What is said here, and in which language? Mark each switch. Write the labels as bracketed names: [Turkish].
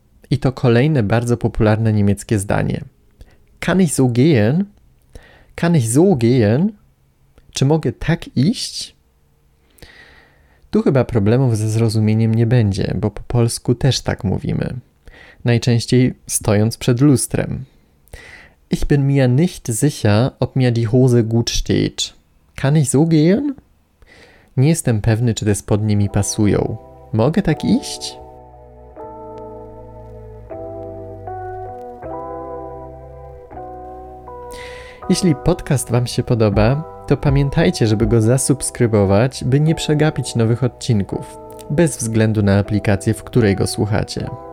[Polish] I to kolejne bardzo popularne niemieckie zdanie. [German] Kann ich so gehen? Kann ich so gehen? [Polish] Czy mogę tak iść? Tu chyba problemów ze zrozumieniem nie będzie, bo po polsku też tak mówimy. Najczęściej stojąc przed lustrem. [German] Ich bin mir nicht sicher, ob mir die Hose gut steht. Kann ich so gehen? [Polish] Nie jestem pewny, czy te spodnie mi pasują. Mogę tak iść? Jeśli podcast Wam się podoba, to pamiętajcie, żeby go zasubskrybować, by nie przegapić nowych odcinków, bez względu na aplikację, w której go słuchacie.